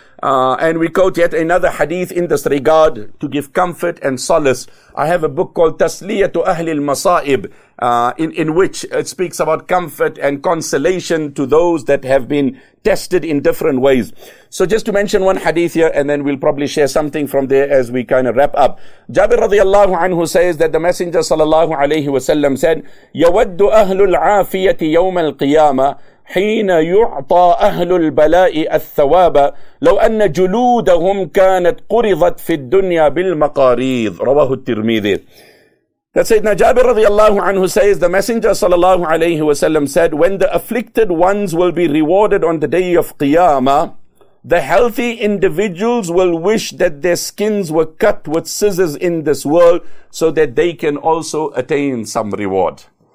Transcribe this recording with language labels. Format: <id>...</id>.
<en>And we quote yet another hadith in this regard to give comfort and solace. I have a book called Tasliyatu Ahli al-Masa'ib, in which it speaks about comfort and consolation to those that have been tested in different ways. So just to mention one hadith here, and then we'll probably share something from there as we kind of wrap up. Jabir radiallahu anhu says that the Messenger sallallahu alayhi wa sallam said,</en> <ar>يَوَدُّ أَهْلُ الْعَافِيَةِ يَوْمَ الْقِيَامَةِ حين يعطى أهل البلاء الثواب لو أن جلودهم كانت قرضت في الدنيا بالمقاريض رواه الترمذي.</ar> <en>That Sayyidina Jabir radiallahu anhu says, the Messenger sallallahu alayhi wa sallam said, when the afflicted ones will be rewarded on the day of Qiyamah, the healthy individuals will wish that their skins were cut with scissors in this world so that they can also attain some reward.</en>